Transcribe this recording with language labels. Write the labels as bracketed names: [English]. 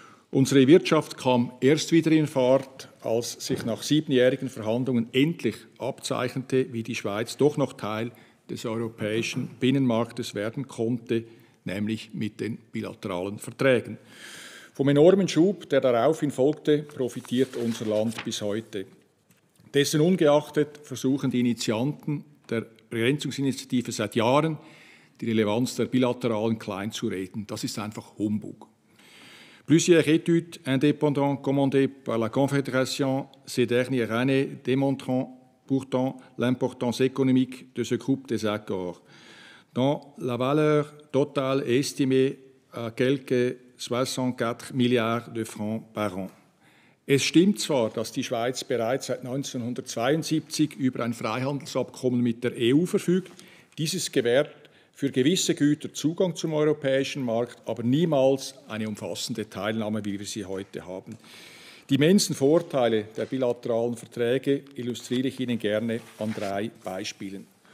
[German] Unsere Wirtschaft kam erst wieder in Fahrt, als sich nach siebenjährigen Verhandlungen endlich abzeichnete, wie die Schweiz doch noch Teil des europäischen Binnenmarktes werden konnte, nämlich mit den bilateralen Verträgen. Vom enormen Schub, der daraufhin folgte, profitiert unser Land bis heute. Dessen ungeachtet versuchen die Initianten der Begrenzungsinitiative seit Jahren, die Relevanz der Bilateralen kleinzureden. Das ist einfach Humbug. [French] Plusieurs études indépendantes commandées par la Confédération ces dernières années démontrent pourtant l'importance économique de ce groupe des accords, dont la valeur totale est estimée à quelques 64 milliards de francs par an. [German] Es stimmt zwar, dass die Schweiz bereits seit 1972 über ein Freihandelsabkommen mit der EU verfügt. Dieses gewährt für gewisse Güter Zugang zum europäischen Markt, aber niemals eine umfassende Teilnahme, wie wir sie heute haben. Die immensen Vorteile der bilateralen Verträge illustriere ich Ihnen gerne an drei Beispielen.